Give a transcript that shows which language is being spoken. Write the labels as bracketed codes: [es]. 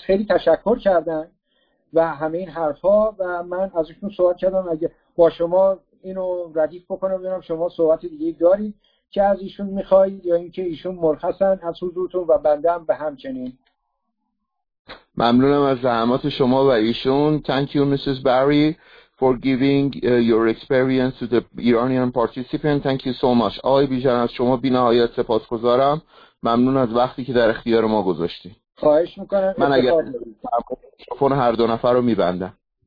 [fa] خیلی تشکر کردن و همه این حرف ها و من از ایشون سوال کردم اگر با شما اینو ردیف بکنم ببینم شما صحبت دیگه دارید که از ایشون میخواهید یا اینکه ایشون مرخصن از حضورتون و بنده هم به همچنین. ممنونم از زحمات شما و ایشون. [en] Thank you Mrs. Barry for giving your experience to the Iranian participant. Thank you so much. [fa] آقای بیژن از شما بی نهایت سپاسگزارم. ممنون از وقتی که در اختیار ما گذاشتی. خواهش میکنم. من اگر میکنم هر دو نفر رو میبندم.